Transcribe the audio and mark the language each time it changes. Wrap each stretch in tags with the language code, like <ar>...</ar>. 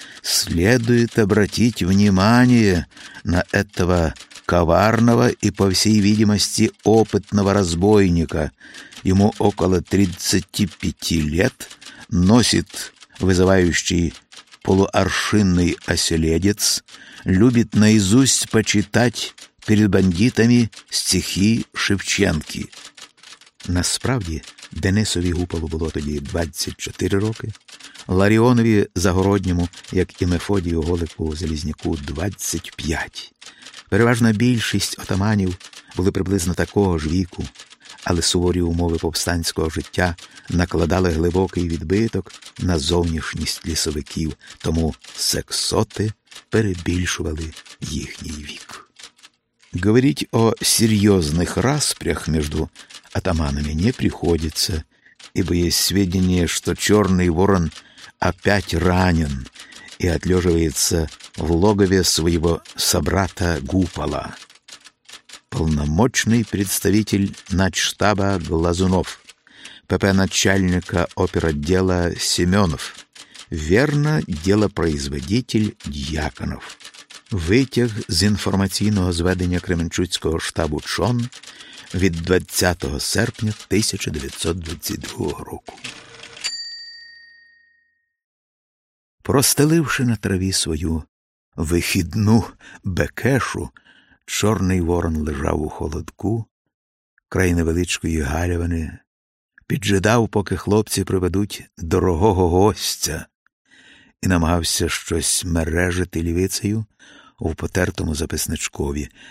<ru>Следует обратить внимание на этого коварного и, по всей видимости, опытного разбойника. Ему около 35 лет, носит вызывающий полуаршинный оселедец, любит наизусть почитать перед бандитами стихи Шевченки.</ru> <uk>Насправді Денисові Гупалу було тоді 24 роки, Ларіонові Загородньому, як і Мефодію Голику Залізняку, 25. Переважна більшість отаманів були приблизно такого ж віку, але суворі умови повстанського життя накладали глибокий відбиток на зовнішність лісовиків, тому сексоти перебільшували їхній вік.</uk> <ru>Говорить о серйозних распрях між атаманами не приходиться, ибо есть сведения, что «Черный ворон» опять ранен и отлеживается в логове своего собрата Гупала. Полномочный представитель начштаба Глазунов, ПП начальника оперотдела Семенов, верно, делопроизводитель Дьяконов.</ru> <uk>Витяг з інформаційного зведення Кременчуцького штабу ЧОН від 20 серпня 1922 року. Простеливши на траві свою вихідну бекешу, чорний ворон лежав у холодку край невеличкої галявини, піджидав, поки хлопці приведуть дорогого гостя, і намагався щось мережити лівицею у потертому записничкові.</uk>